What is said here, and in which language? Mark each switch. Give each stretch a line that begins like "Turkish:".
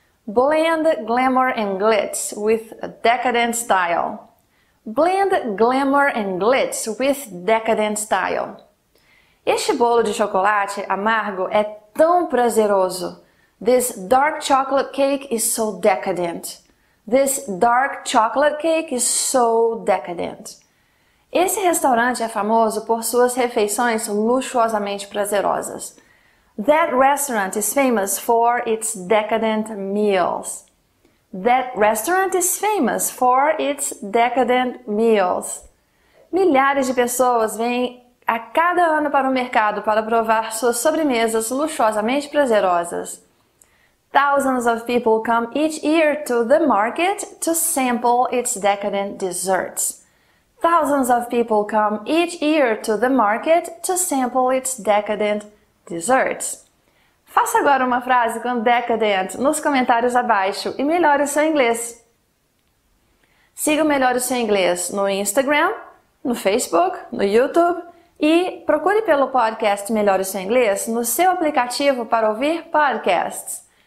English: Blend glamour and glitz with a decadent style. Blend glamour and glitz with decadent style.
Portuguese: Este bolo de chocolate amargo é tão prazeroso.
English: This dark chocolate cake is so decadent. This dark chocolate cake is so decadent.
Portuguese: Esse restaurante é famoso por suas refeições luxuosamente prazerosas.
English: That restaurant is famous for its decadent meals. That restaurant is famous for its decadent meals.
Portuguese: Milhares de pessoas vêm a cada ano para o mercado para provar suas sobremesas luxuosamente prazerosas.
English: Thousands of people come each year to the market to sample its decadent desserts. Thousands of people come each year to the market to sample its decadent desserts.
Portuguese: Faça agora uma frase com decadent nos comentários abaixo e melhore o seu inglês. Siga o Melhore o Seu Inglês no Instagram, no Facebook, no YouTube. E procure pelo podcast Melhore o Seu Inglês no seu aplicativo para ouvir podcasts.